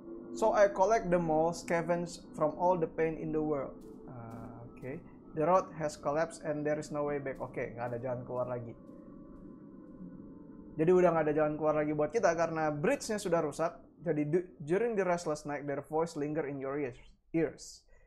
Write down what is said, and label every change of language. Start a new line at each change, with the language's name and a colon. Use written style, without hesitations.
English: So I collect them all, scavenge from all the pain in the world. Okay. The road has collapsed and there is no way back.
Indonesian: Oke, nggak ada jalan keluar lagi. Jadi udah nggak ada jalan keluar lagi buat kita karena bridge-nya sudah rusak. Jadi
English: during the restless night, their voice linger in your ears.